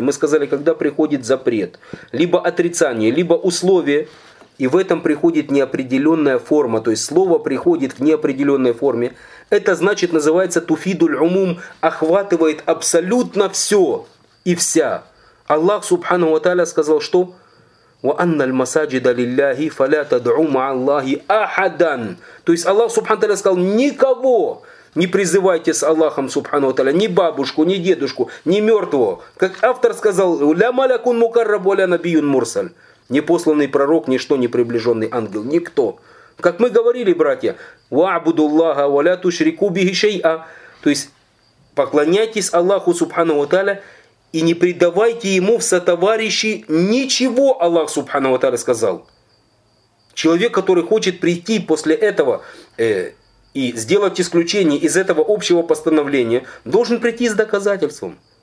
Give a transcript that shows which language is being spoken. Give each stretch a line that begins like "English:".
Russian: Мы сказали, когда приходит запрет, либо отрицание, либо условие, и в этом приходит неопределенная форма, то есть слово приходит в неопределенной форме, это значит называется «туфидуль умум», охватывает абсолютно все и вся. Аллах Субхану ва Тааля сказал, что
Arabic: وَأَنَّ الْمَسَاجِدَ لِلَّهِ فَلَا تَدْعُوا مَعَ اللَّهِ أَحَدًا.
Russian: То есть Аллах Субхану Тааля сказал, никого не призывайте с Аллахом Субхану Тааля, ни бабушку, ни дедушку, ни мертвого. Как автор сказал,
Arabic: لَا مَلَكٌ مُكَرَّبُ وَلَا نَبِيٌ مُرْسَلٌ.
Russian: Ни посланный пророк, ничто, ни приближенный ангел, никто. Как мы говорили, братья,
Arabic: وَعْبُدُ اللَّهَ وَلَا تُشْرِكُوا بِهِ شَيْئًا.
Russian: То есть поклоняйтесь Аллаху Субхану Тааля, и не предавайте ему в сотоварищи ничего, Аллах Субхану ва Тааля сказал. Человек, который хочет прийти после этого и сделать исключение из этого общего постановления, должен прийти с доказательством.